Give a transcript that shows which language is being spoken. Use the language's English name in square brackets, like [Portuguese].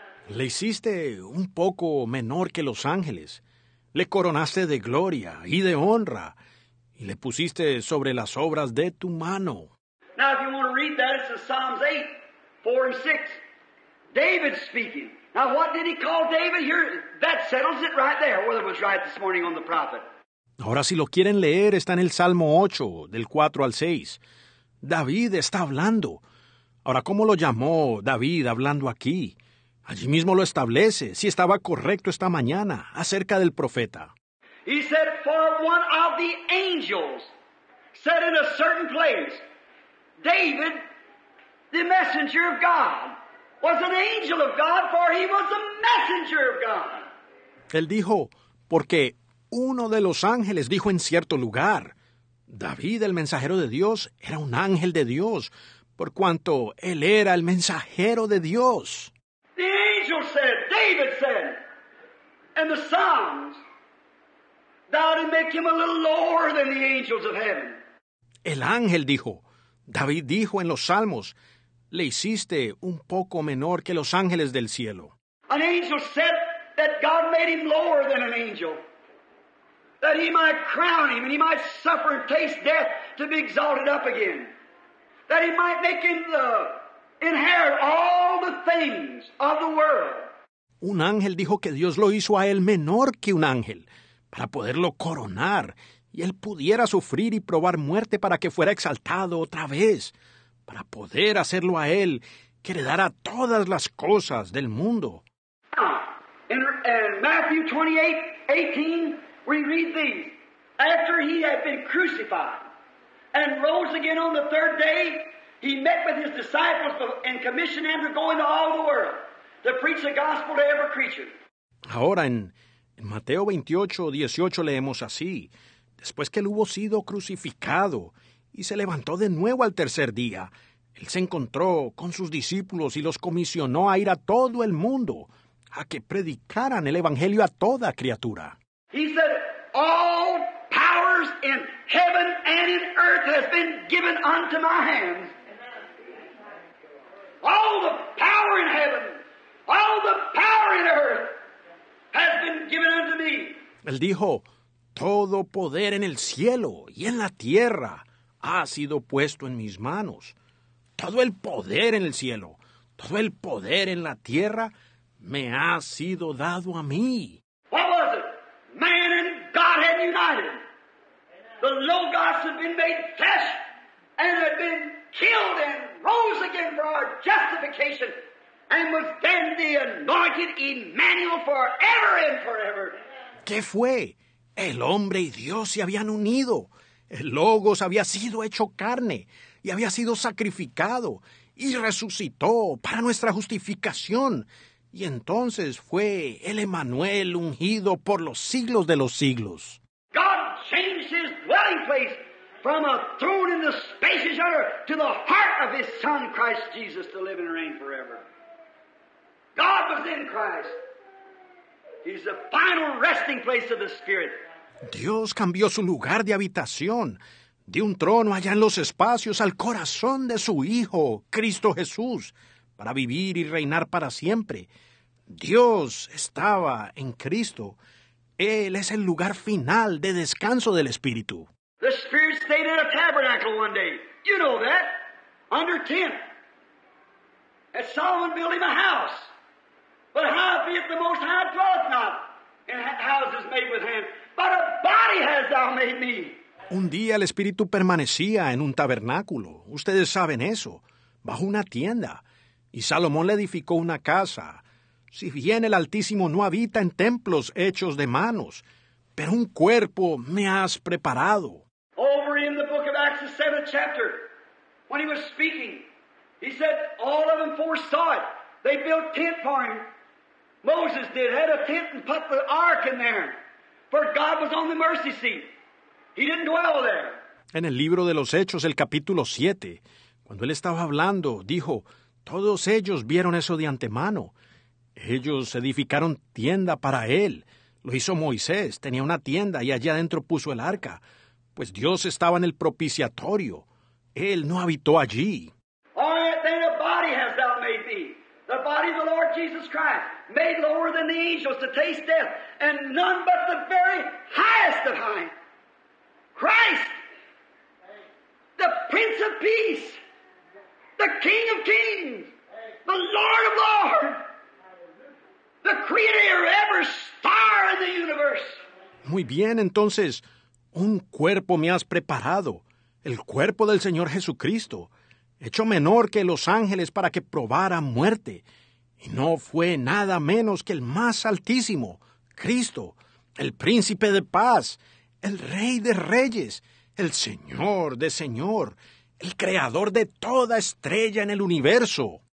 [Spanish] Le hiciste un poco menor que los ángeles. Le coronaste de gloria y de honra, y le pusiste sobre las obras de tu mano. [English] Now, if you want to read that, it's in Psalms 8, 4 and 6. David's speaking. Now, what did he call David here? That settles it right there, whether it was right this morning on the prophet. [Spanish] Ahora, si lo quieren leer, está en el Salmo 8, del 4 al 6. David está hablando. Ahora, ¿cómo lo llamó David hablando aquí? Allí mismo lo establece, si estaba correcto esta mañana, acerca del profeta. [English] He said, for one of the angels said in a certain place, David, the messenger of God, was an angel of God, for he was a messenger of God. [Spanish] Él dijo, porque uno de los ángeles dijo en cierto lugar, David, el mensajero de Dios, era un ángel de Dios, por cuanto él era el mensajero de Dios. [English] The angel said, David said, and the Psalms, thou didst make him a little lower than the angels of heaven. [Spanish] El ángel dijo, David dijo en los Salmos, le hiciste un poco menor que los ángeles del cielo. [English] An angel said that God made him lower than an angel, that he might crown him and he might suffer and taste death to be exalted up again, that he might make him inherit all the things of the world. [Spanish] Un ángel dijo que Dios lo hizo a él menor que un ángel, para poderlo coronar, y él pudiera sufrir y probar muerte para que fuera exaltado otra vez, para poder hacerlo a él, que heredara todas las cosas del mundo. [English] In Matthew 28:18, we read these. After he had been crucified and rose again on the third day, he met with his disciples and commissioned them to go into all the world to preach the gospel to every creature. [Spanish] Ahora en Mateo 28:18 leemos así. Después que él hubo sido crucificado y se levantó de nuevo al tercer día, él se encontró con sus discípulos y los comisionó a ir a todo el mundo a que predicaran el evangelio a toda criatura. [English] He said, all powers in heaven and in earth has been given unto my hands. All the power in heaven, all the power in earth has been given unto me. [Spanish] Él dijo, todo poder en el cielo y en la tierra ha sido puesto en mis manos. Todo el poder en el cielo, todo el poder en la tierra me ha sido dado a mí. [English] What was it? Man and God had united. The Logos had been made flesh and had been killed and rose again for our justification and was then the anointed Emmanuel forever and forever. [Spanish] ¿Qué fue? El hombre y Dios se habían unido. El Logos había sido hecho carne y había sido sacrificado y resucitó para nuestra justificación. Y entonces fue el Emmanuel ungido por los siglos de los siglos. [English] God changed his dwelling place from a throne in the spacious earth to the heart of his Son, Christ Jesus, to live and reign forever. God was in Christ. He's the final resting place of the Spirit. [Spanish] Dios cambió su lugar de habitación, de un trono allá en los espacios al corazón de su Hijo, Cristo Jesús, para vivir y reinar para siempre. Dios estaba en Cristo. Él es el lugar final de descanso del Espíritu. [English] The Spirit stayed in a tabernacle one day. You know that. Under tent. And Solomon built him a house. But how be it the Most High dwelleth not in houses made with hands? But a body hast thou made me. [Spanish] Un día el Espíritu permanecía en un tabernáculo. Ustedes saben eso. Bajo una tienda. Y Salomón le edificó una casa. Si bien el Altísimo no habita en templos hechos de manos, pero un cuerpo me has preparado. [English] Over in the book of Acts, the 7th chapter, when he was speaking, he said, all of them foresaw it. They built tent for him. Moses did, had a tent and put the ark in there. For God was on the mercy seat. He didn't dwell there. [Spanish] En el libro de los Hechos, el capítulo 7, cuando él estaba hablando, dijo, todos ellos vieron eso de antemano. Ellos edificaron tienda para él. Lo hizo Moisés, tenía una tienda y allá adentro puso el arca. Pues Dios estaba en el propiciatorio. Él no habitó allí. [English] All right, then a body hast thou made thee. The body of the Lord Jesus Christ, made lower than the angels to taste death. And none but the very highest of high. Christ, the Prince of Peace. the King of Kings, the Lord of Lords, the Creator of every star in the universe. [Spanish] Muy bien, entonces, un cuerpo me has preparado, el cuerpo del Señor Jesucristo, hecho menor que los ángeles para que probara muerte, y no fue nada menos que el más altísimo, Cristo, el Príncipe de Paz, el Rey de Reyes, el Señor de Señor, el Creador de toda estrella en el universo.